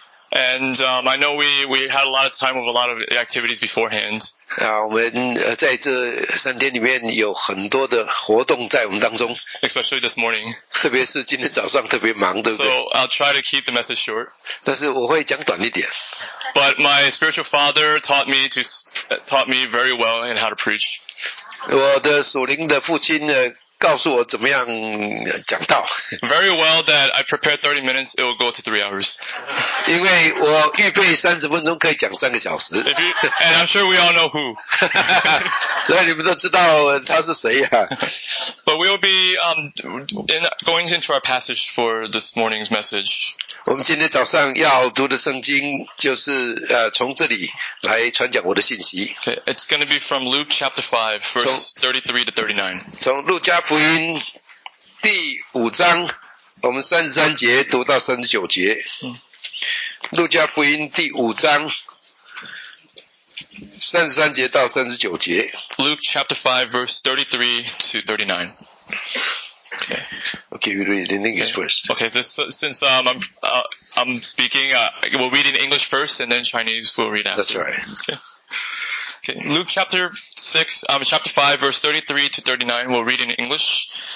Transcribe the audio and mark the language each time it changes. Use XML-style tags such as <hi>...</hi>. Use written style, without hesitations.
<en>And, I know we had a lot of time with a lot of activities beforehand.</en> <zh>我们在这三天里面有很多的活动在我们当中。</zh> <en>Especially this morning.</en> <zh>特别是今天早上特别忙，对不对？</zh> <en>So I'll try to keep the message short.</en> <zh>但是我会讲短一点。</zh> <en>But my spiritual father taught me very well in how to preach.</en> <zh>我的属灵的父亲呢告诉我怎么样讲道。</zh> <en>Very well that I prepare 30 minutes, it will go to 3 hours.</en> <zh>因为我预备30分钟可以讲3个小时。</zh> <en>And I'm sure we all know who.</en> <zh>所以你们都知道他是谁啊。</zh> <en>But we'll be, going into our passage for this morning's message.</en> <zh>我们今天早上要读的圣经就是从这里来传讲我的信息。</zh> <en>Okay, it's going to be from Luke chapter 5, verse 33 to 39.</en> <zh>从路加福音第五章，我们33节读到39节。路加福音第五章33节到39节。</zh> <en>Luke chapter 5 verse 33 to 39. Okay, you read it in English first. Okay, this, since I'm speaking, we'll read in English first and then Chinese we'll read after. That's right. Okay. Okay, Luke chapter 6, chapter 5, verse 33 to 39, we'll read in English.</en>